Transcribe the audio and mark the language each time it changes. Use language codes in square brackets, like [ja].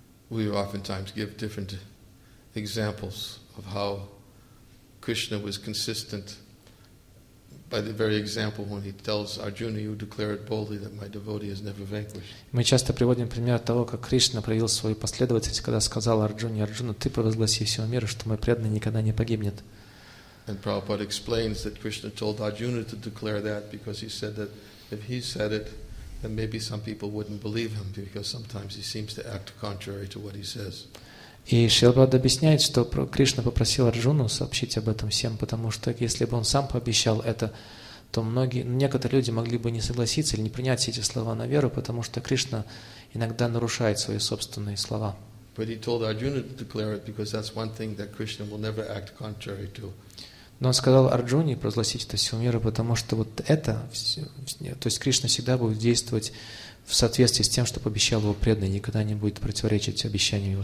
[en] We oftentimes give different examples of how Krishna was consistent by the very example when he tells Arjuna, you declare it boldly that my devotee is never vanquished. [ru] Мы часто приводим пример того, как Кришна проявил свою последовательность, когда сказал Арджуне, ты провозгласи всему миру, что мой преданный никогда не погибнет. [en] And Prabhupada explains that Krishna told Arjuna to declare that because he said that if he said it, then maybe some people wouldn't believe him because sometimes he seems to act contrary to what he says. [ru] И Шрила Прабхупада объясняет, что Кришна попросил Арджуну сообщить об этом всем, потому что если бы он сам пообещал это, то некоторые люди могли бы не согласиться или не принять эти слова на веру, потому что Кришна иногда нарушает свои собственные слова. [en] But he told Arjuna to declare it because that's one thing that Krishna will never act contrary to. [ru] Но он сказал Арджуне провозгласить это всему миру, потому что вот это, то есть Кришна всегда будет действовать в соответствии с тем, что пообещал его преданный, никогда не будет противоречить обещаниям его